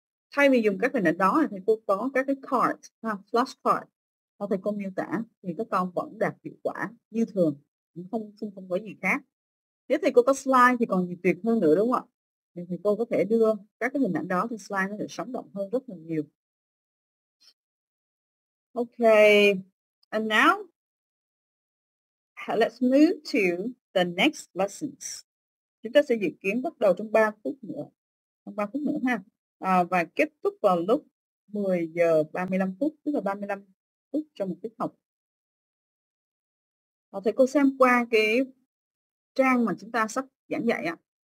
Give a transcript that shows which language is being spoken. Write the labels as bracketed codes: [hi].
[vi] Thay vì dùng các hình ảnh đó thì thầy cô có các cái card, flashcard mà thầy cô miêu tả thì các con vẫn đạt hiệu quả như thường, không có gì khác. Nếu thầy cô có slide thì còn nhiều tuyệt hơn nữa đúng không ạ? Thì thầy cô có thể đưa các cái hình ảnh đó thì slide nó sẽ sống động hơn rất là nhiều. [en] Ok, and now let's move to the next lessons. [vi] Chúng ta sẽ dự kiến bắt đầu trong 3 phút nữa. Trong 3 phút nữa ha. Và kết thúc vào lúc 10 giờ 35 phút, tức là 35 phút cho một tiết học. Thầy cô xem qua cái trang mà chúng ta sắp giảng dạy ạ.